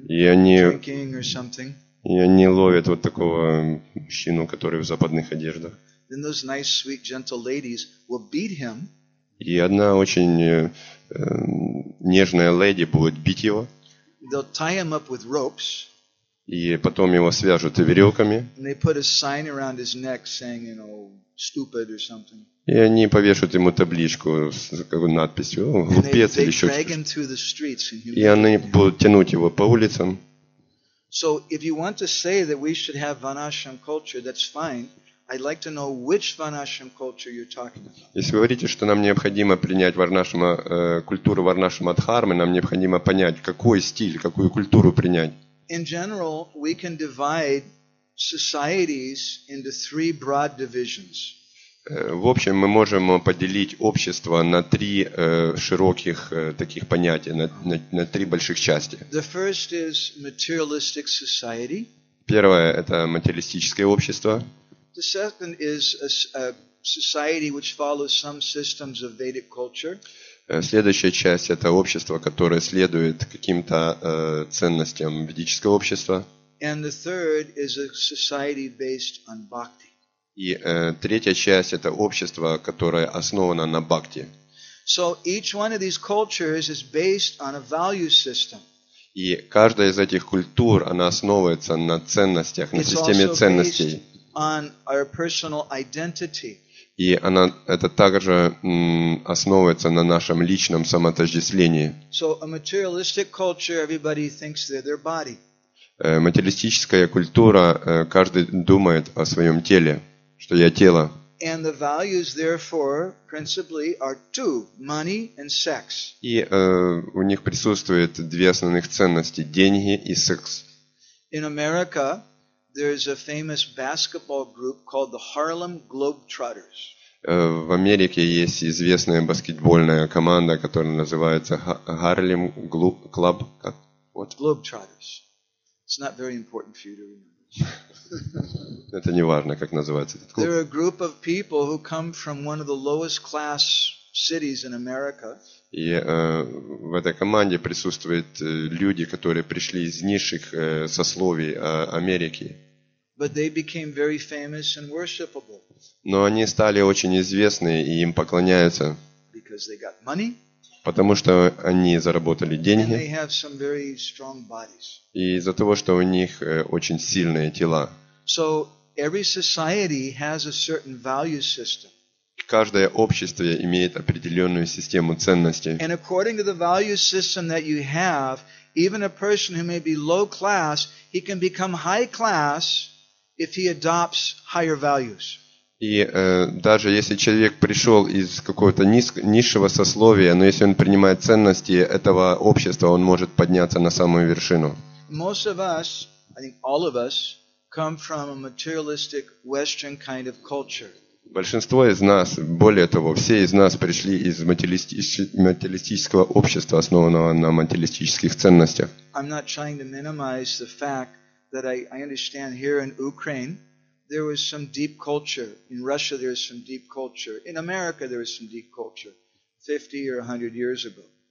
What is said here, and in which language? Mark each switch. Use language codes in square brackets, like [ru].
[ru] И они ловят вот такого мужчину, который в западных одеждах. [en] Then those nice, sweet, gentle ladies will beat him. [ru] И одна очень нежная леди будет бить его. [en] They'll tie him up with ropes. [ru] И потом его свяжут веревками. [en] Saying, you know, [ru] и они повешают ему табличку с какой-то надписью «Глупец» или еще что-то. И они будут тянуть его по улицам. [en] So if you want to say that we should have Vanashram culture, that's fine. I'd like to know which Vanashram culture you're talking about. [ru] Если вы говорите, что нам необходимо принять Варнашрама культуру Варнашрама Дхармы, нам необходимо понять, какой стиль, какую культуру принять. [en] In general, we can divide societies into three broad divisions. [ru] В общем, мы можем поделить общество на три широких таких понятия, на три больших части. [en] The first is materialistic society. [ru] Первое – это материалистическое общество. [en] The second is a society which follows some systems of Vedic culture. [ru] Следующая часть – это общество, которое следует каким-то ценностям ведического общества. [en] And the third is a society based on bhakti. [ru] И третья часть – это общество, которое основано на бхакти. [en] So each one of these cultures is based on a value system. [ru] И каждая из этих культур, она основывается на ценностях, на системе ценностей. [en] It's also based on our personal identity. [ru] И она, это также основывается на нашем личном самоотождествлении. [en] So a materialistic culture, everybody thinks they're their body. [ru] Материалистическая культура, каждый думает о своем теле, что я тело. [en] And the values, therefore, principally are two, money and sex. [ru] И у них присутствует две основных ценности – деньги и секс. [en] In America, there is a famous basketball group called the Harlem Globetrotters. [ru] В Америке есть известная баскетбольная команда, которая называется Harlem Club. [en] Globetrotters. It's not very important for you to remember. [ru] Это не важно, как называется этот клуб. [en] There are a group of people who come from one of the lowest class cities in America. [ru] И в этой команде присутствуют люди, которые пришли из низших сословий Америки. [en] But they became very famous and worshipable. [ru] Но они стали очень известны и им поклоняются. [en] Because they got money. [ru] Потому что они заработали деньги. [en] And they have some very strong bodies. [ru] И из-за того, что у них очень сильные тела. [en] So every society has a certain value system. [ru] Каждое общество имеет определенную систему ценностей. [en] And according to the value system that you have, even a person who may be low class, he can become high class if he adopts higher values. [ru] И даже если человек пришел из какого-то низшего сословия, но если он принимает ценности этого общества, он может подняться на самую вершину. [en] Most of us, I think all of us, come from a materialistic Western kind of culture. [ru] Большинство из нас, более того, все из нас пришли из материалистического общества, основанного на материалистических ценностях. [en] I'm not trying to minimize the fact that I understand here in Ukraine there was some deep culture. In Russia there is some deep culture. In America there is some deep culture 50 or 100 years ago.